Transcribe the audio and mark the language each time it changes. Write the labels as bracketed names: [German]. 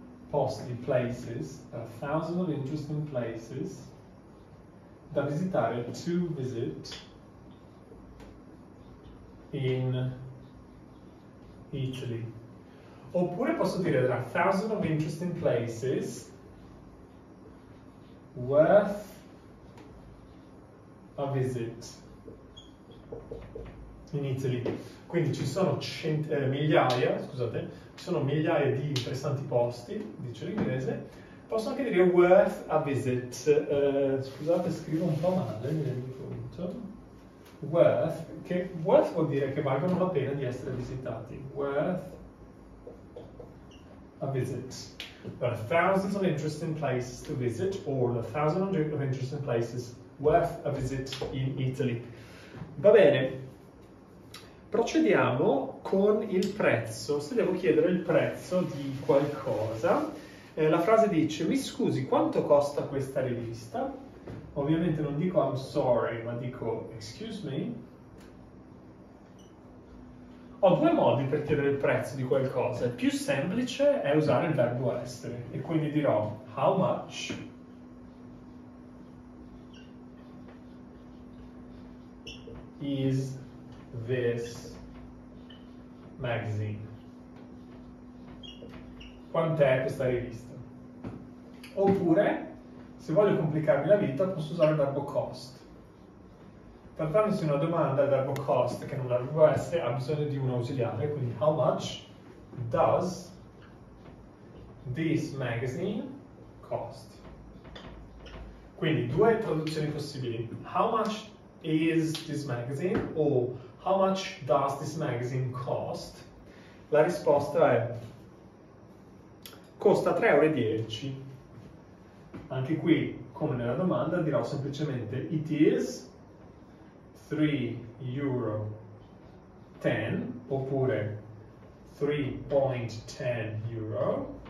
[Italian] Posti, [English] places, a thousand of interesting places [Italian] da visitare, [English] to visit in Italy. [Italian] Oppure posso dire, [English] there are thousand of interesting places worth a visit in Italy. [Italian] Quindi ci sono migliaia, scusate, ci sono migliaia di interessanti posti, dice l'inglese. Posso anche dire [English] worth a visit. [Italian] Scusate, scrivo un po' male, mi rendo conto. Worth, che worth vuol dire che valgono la pena di essere visitati. [English] Worth a visit. There are thousands of interesting places to visit, or the thousand of interesting places worth a visit in Italy. [Italian] Va bene. Procediamo con il prezzo. Se devo chiedere il prezzo di qualcosa, la frase dice: mi scusi, quanto costa questa rivista? Ovviamente non dico [English] I'm sorry, [Italian] ma dico [English] excuse me. [Italian] Ho due modi per chiedere il prezzo di qualcosa. Il più semplice è usare il verbo essere e quindi dirò [English] how much. Is this magazine? [Italian] Quant'è questa rivista? Oppure, Se voglio complicarmi la vita, posso usare il verbo cost. Trattandosi di una domanda, il verbo cost, che non dovrebbe essere, ha bisogno di un ausiliare, quindi [English] how much does this magazine cost? [Italian] Quindi due traduzioni possibili. [English] How much is this magazine? O how much does this magazine cost? [Italian] La risposta è costa 3,10 euro. Anche qui, come nella domanda, dirò semplicemente [English] it is 3,10 euro [Italian] oppure 3,10 euro.